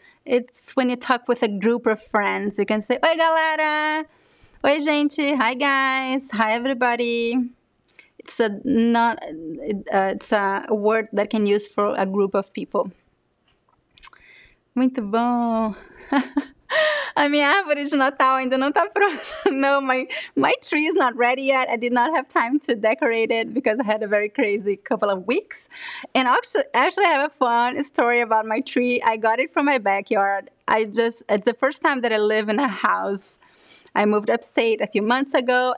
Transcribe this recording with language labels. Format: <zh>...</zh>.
<en>It's when you talk with a group of friends. You can say,</en> <pt>oi, galera. Oi, gente.</pt> <en>Hi, guys. Hi, everybody. It's a word that can use for a group of people.</en> <pt>Muito bom. A minha árvore de Natal ainda não tá pronta.</pt> <en>No, my tree is not ready yet. I did not have time to decorate it because I had a very crazy couple of weeks. And actually I have a fun story about my tree. I got it from my backyard. It's the first time that I live in a house. I moved upstate a few months ago.</en>